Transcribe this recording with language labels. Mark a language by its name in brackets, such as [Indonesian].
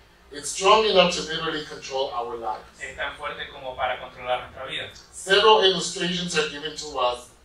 [English] It's strong enough to literally control our lives. [Spanish] Es tan fuerte como para controlar nuestra vida. [English] Several illustrations are given to us.